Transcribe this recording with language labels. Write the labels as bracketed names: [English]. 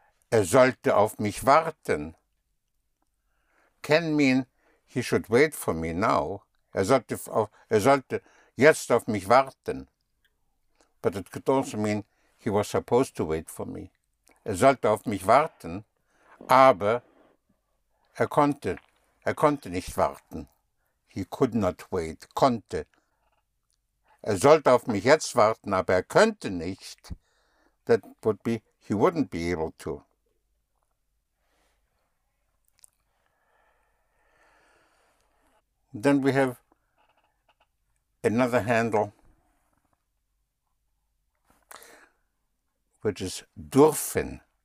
[German] Er sollte auf mich warten. [English] Can mean he should wait for me now. [German] Er sollte jetzt auf mich warten. [English] But it could also mean he was supposed to wait for me. [German] Er sollte auf mich warten, aber er konnte nicht warten. [English] He could not wait, [German] konnte. Er sollte auf mich jetzt warten, aber er könnte nicht. [English] That would be, he wouldn't be able to. Then we have another handle, which is dürfen.